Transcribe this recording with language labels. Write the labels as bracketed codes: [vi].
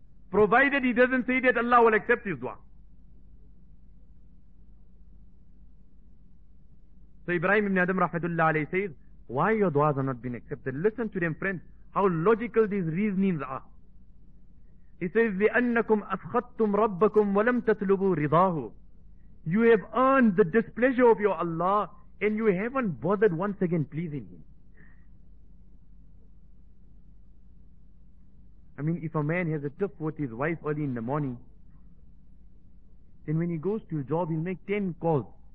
[en] Provided he doesn't say that Allah will accept his du'a. So Ibrahim ibn Adam rahmatullah alayhi says, why your du'as are not being accepted? Listen to them, friends, how logical these reasonings are. He says, [ar] لِأَنَّكُمْ أَسْخَطْتُمْ رَبَّكُمْ وَلَمْ تَتْلُبُوا رِضَاهُ. [en] You have earned the displeasure of your Allah and you haven't bothered once again pleasing Him. I mean, if a man has a tiff with his wife early in the morning, then when he goes to his job, he'll make 10 calls.